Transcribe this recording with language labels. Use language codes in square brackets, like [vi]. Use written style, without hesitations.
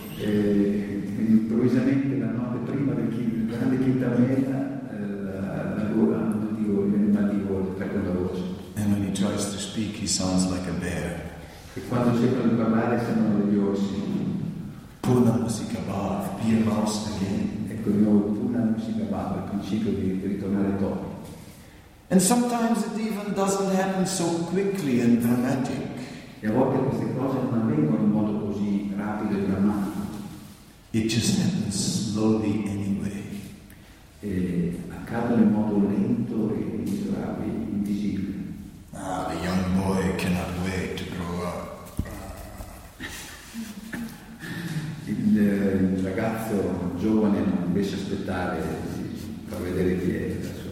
[it] Improvvisamente, la notte prima del grande kirtan mela, la gola di gola, il mal di gola, perde la voce. [en] And when he tries to speak, he sounds like a bear. [it] E quando cerca di parlare, sembrano degli orsi. [en] Purna Musica Bhav, be a mouse again. [it] Ecco di nuovo, Purna Musica Bhav, il principio di ritornare topo. [en] And sometimes it even doesn't happen so quickly and dramatic. [it] E a volte queste cose non avvengono in modo così rapido e drammatico. [en] It just happens slowly anyway. [it] E accadono in modo lento e miserabile, invisibile. [en] Ah, the young boy cannot wait to grow up. [it] Il ragazzo giovane non riesce a aspettare per vedere chi è.